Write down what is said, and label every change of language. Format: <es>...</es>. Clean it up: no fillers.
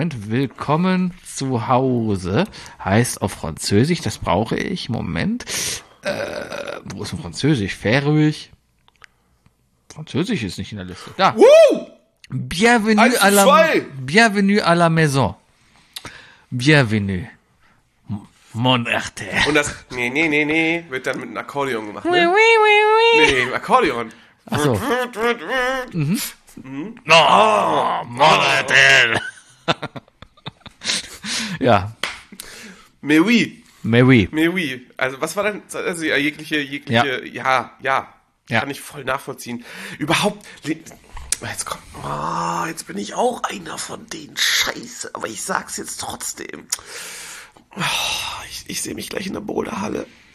<de>Willkommen zu Hause heißt auf Französisch, das brauche ich, Moment. Wo ist denn Französisch? Färöisch? Französisch ist nicht in der Liste. Da.</de> <fr>Bienvenue à la Bienvenue à la maison. Bienvenue. Mon Arte.</fr> <de>Und das nee wird dann mit einem Akkordeon gemacht, ne?</de> <fr>Oui.</fr> <de>Nee, Akkordeon. Ach so.</de> <fr>Mon Arte.</fr> <de>Ja.</de> <fr>Mais oui.</fr> <de>Also, was war denn, also jegliche ja. Kann ich voll nachvollziehen. Überhaupt, jetzt kommt, jetzt bin ich auch einer von denen, scheiße, aber ich sag's jetzt trotzdem. Ich sehe mich gleich in der Boulderhalle.</de>